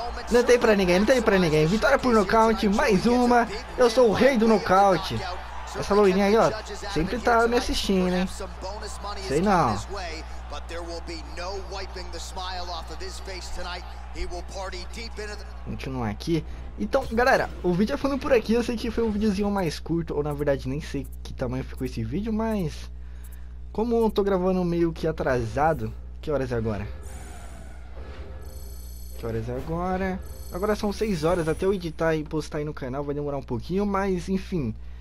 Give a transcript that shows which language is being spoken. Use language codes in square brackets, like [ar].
[pt] Não tem pra ninguém, não tem pra ninguém. Vitória por nocaute, mais uma. Eu sou o rei do nocaute. Essa loirinha aí, ó, sempre tá me assistindo, né? Sei não. [en] But there will be no wiping the smile off of his face tonight. He will party deep into the... [pt] Continuar aqui. Então, galera, o vídeo é ficando por aqui. Eu sei que foi um videozinho mais curto, ou na verdade nem sei que tamanho ficou esse vídeo, mas como eu tô gravando meio que atrasado, que horas é agora? Que horas é agora? Agora são 6 horas, até eu editar e postar aí no canal vai demorar um pouquinho, mas enfim.